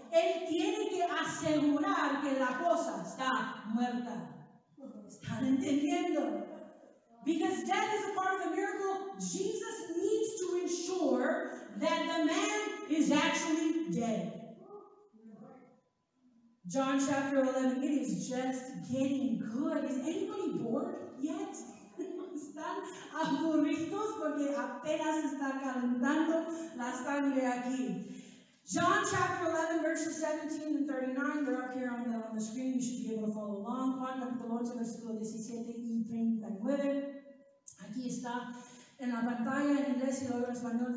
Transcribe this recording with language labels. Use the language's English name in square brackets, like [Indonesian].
[Spanish] Él tiene que asegurar que la cosa está muerta. ¿Están entendiendo? [English] Because death is a part of the miracle, Jesus needs to ensure that the man is actually dead. John chapter 11, it is just getting good. Is anybody bored yet? [Spanish] Están aburridos porque apenas está calentando la sangre aquí. [English] John chapter 11, verses 17 and 39, they're up here on the screen. You should be able to follow along. [Spanish] Juan capítulo 11, versículo 17 y 39. Aquí está en la pantalla en inglés y luego en español.